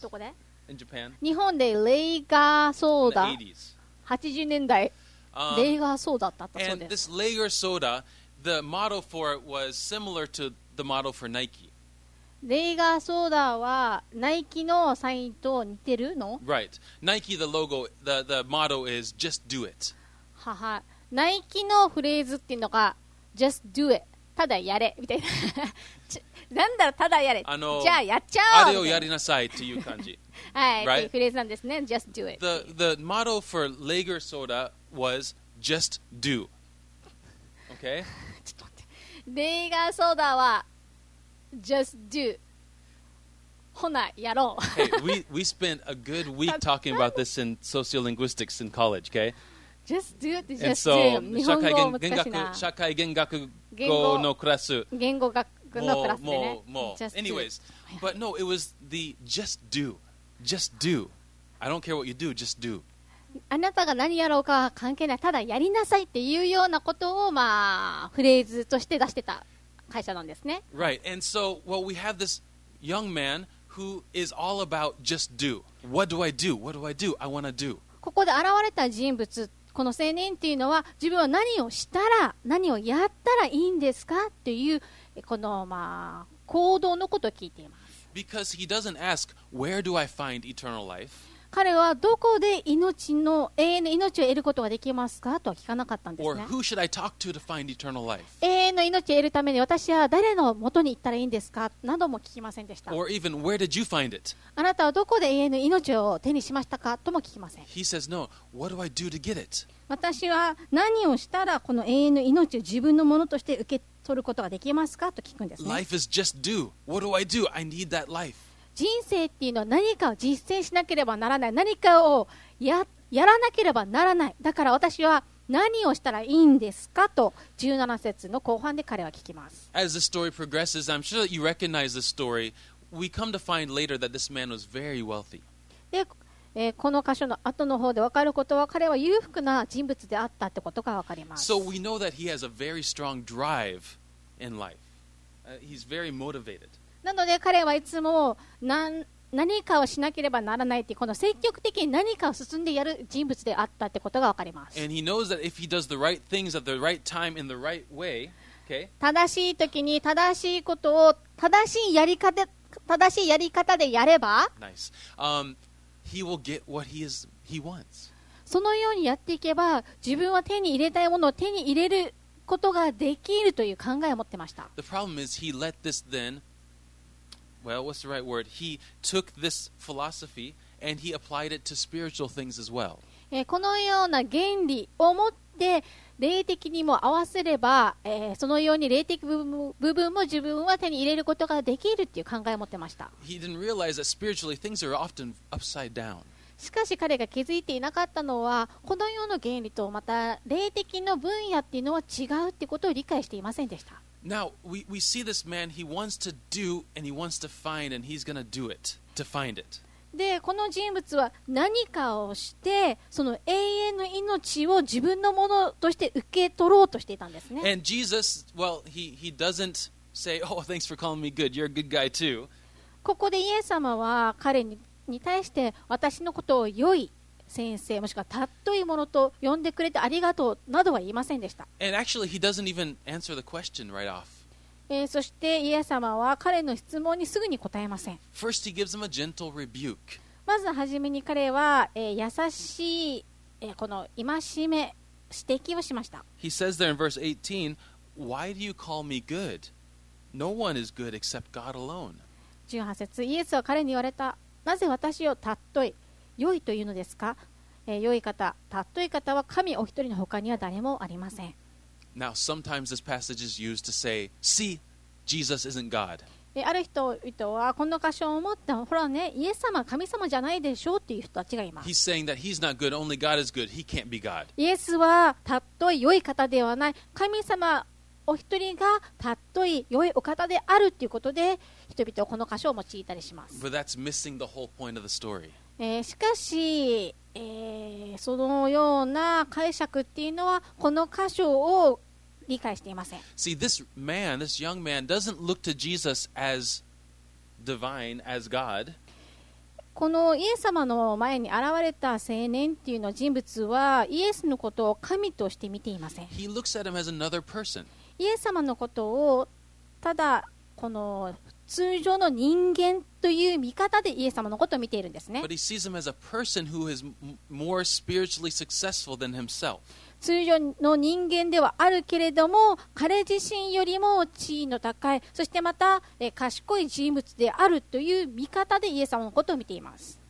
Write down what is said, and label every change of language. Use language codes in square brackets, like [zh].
[ja] どこで? [en] In Japan. [ja] 日本でレイガーソーダ。 [en] In the 80s. [ja] 80年代。レイガーソーダだったそうです。 [en] And this Lager Soda, the model for it was similar to the model for Nike. [ja] レイガーソーダはナイキのサインと似てるの? [en] Right. Nike, the logo, the model is just do it. はは。 [ja] ナイキのフレーズっていうのが [en] just do it。 [ja] ただやれみたいな。なんだろう、ただやれ、じゃあやっちゃおう、あれをやりなさいっていう感じ。はい、 [en] right? [ja] っていうフレーズなんですね。 [en] Just do it. The motto for Lager Soda was Just do. Okay? [ja] ちょっと待って、レイガーソーダは [en] Just do. [ja] ほなやろう。 [en] Hey, we spent a good week talking about this in sociolinguistics in college, okay? Just do it. Just so, do. [ja] 日本語難しいな。社会言学語のクラス、言語学もう、 [en] anyways, but no, it was the just do, just do. I don't care what you do, just do. [ja] あなたが何やろうか関係ない、ただやりなさいっていうようなことを、まあ、フレーズとして出してた会社なんですね。 [en] Right, and so, well, we have this young man who is all about just do. What do I do? What do I do? I want to do. [ja] ここで現れた人物、この青年っていうのは、自分は何をしたら、何をやったらいいんですかっていう、この、まあ、行動のことを聞いています。 [en] Because he doesn't ask, where do I find eternal life? [ja] 彼はどこで永遠の命を得ることができますかとは聞かなかったんですね。 [en] Or who should I talk to find eternal life? [ja] 永遠の命を得るために私は誰の元に行ったらいいんですかなども聞きませんでした。 [en] Or even, where did you find it? [ja] あなたはどこで永遠の命を手にしましたかとも聞きません。 [en] He says, no, what do I do to get it? [ja] 私は何をしたらこの永遠の命を自分のものとして受け取ることができますかと聞くんですね。 [en] Life is just do. What do I do? I need that life. [ja] 人生っていうのは何かを実践しなければならない、何かを やらなければならない、だから私は何をしたらいいんですかと17節の後半で彼は聞きます。 [en] As the story progresses, I'm sure that you recognize the story. We come to find later that this man was very wealthy. [ja] で、この箇所の後の方で分かることは、彼は裕福な人物であったってことが分かります。 [en] So we know that he has a very strong drive in life. He's very motivated. [ja] なので彼はいつも何かをしなければならないというこの積極的に何かを進んでやる人物であったってことが分かります。 [en] And he knows that if he does the right things at the right time in the right way, okay? [ja] 正しい時に正しいことを正しいやり方でやれば、 [en] Nice. He will get what he wants. [ja] そのようにやっていけば自分は手に入れたいものを手に入れることができるという考えを持ってました。 [en] The problem is he let this thenWell, what's the right word? He took this philosophy and he applied it to spiritual things as well. [ja] このような原理を持って霊的にも合わせれば、そのように霊的部分も自分は手に入れることができるっていう考えを持ってました。 [en] He didn't realize that spiritually things are often upside down. [ja] しかし彼が気づいていなかったのは、この世の原理とまた霊的の分野っていうのは違うっていうことを理解していませんでした。 [en] Now, we see this man, he wants to do and he wants to find and he's going to do it, to find it. [ja] で、この人物は何かをして、その永遠の命を自分のものとして受け取ろうとしていたんですね。 [en] And Jesus, well, he doesn't say, oh, thanks for calling me good, you're a good guy too. [ja] ここでイエス様は彼に対して私のことを良い先生もしくはたっといものと呼んでくれてありがとうなどは言いませんでした。 [en] And actually, he doesn't even answer the question right off. [ja] そしてイエス様は彼の質問にすぐに答えません。 [en] First, he gives him a gentle rebuke. [ja] まずはじめに彼は、優しい、この戒め指摘をしました。 [en] He says there in verse 18, Why do you call me good? No one is good except God alone. [ja] 18節イエスは彼に言われた。なぜ私をたっとい良いというのですか、良い方、たっとい方は神お一人の他には誰もありません。 [en] Now, sometimes this passage is used to say, See, Jesus isn't God. [ja] ある人々はこの箇所を思っても、ほらね、イエス様、神様じゃないでしょうっていう人たちがいます。 [en] He's saying that he's not good, only God is good. He can't be God. [ja] イエスはたっとい良い方ではない。神様お一人がたっとい良いお方であるということで、人々はこの箇所を用いたりします。 [en] But that's missing the whole point of the story. [ja] しかし、そのような解釈っていうのはこの箇所を理解していません。 [en] See, this man, this young man doesn't look to Jesus as divine, as God. [ja] このイエス様の前に現れた青年っていうの人物はイエスのことを神として見ていません。 [en] He looks at him as another person. [ja] イエス様のことをただこの通常の人間という見方でイエス様のことを見ているんですね。 [en] But he sees him as a person who is more spiritually successful than himself. [ja] 通常の人間ではあるけれども、彼自身よりも地位の高い、そしてまた賢い人物であるという見方でイエス様のことを見ています。